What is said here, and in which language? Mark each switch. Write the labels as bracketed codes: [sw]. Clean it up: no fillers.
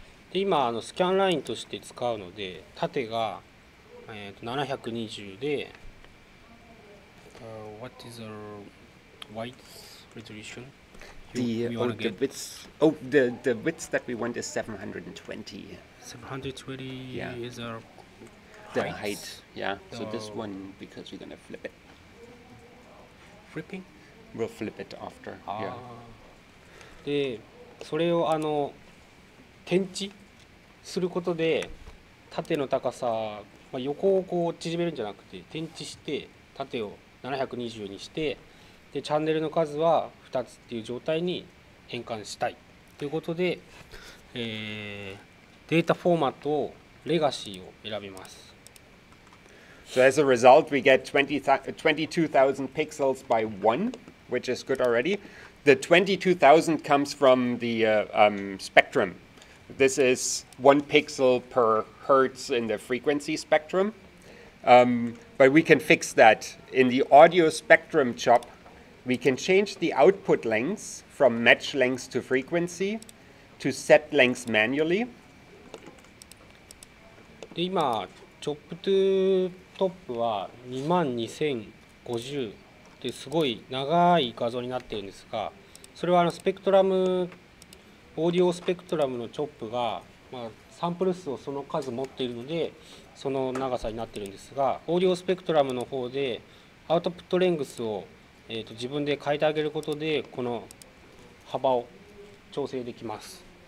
[ja] で今あのスキャンラインとして使うので縦が720で [en] What is the width resolution? The width that we want is 720. 720 yeah. is our the height. Yeah. So this one because we're gonna flip it. Flipping? We'll flip it after. Yeah. [ja] でそれをあの天地することで縦の高さ、まあ、横をこう縮めるんじゃなくて転置して縦を720にしてでチャンネルの数は2つっていう状態に変換したいということで、データフォーマットをレガシーを選びます。 [en] So as a result, we get 22,000 pixels by 1, which is good already. The 22,000 comes from the spectrum. This is one pixel per hertz in the frequency spectrum. But we can fix that. In the audio spectrum chop, we can change the output lengths from match lengths to frequency to set lengths manually. [ja] で今、chop2 top は 22,050 ってすごい長い画像になっているんですが、それはあのスペクトラムオーディオスペクトラムのチョップが、まあ、サンプル数をその数持っているのでその長さになっているんですがオーディオスペクトラムの方でアウトプットレングスを、自分で変えてあげることでこの幅を調整できます。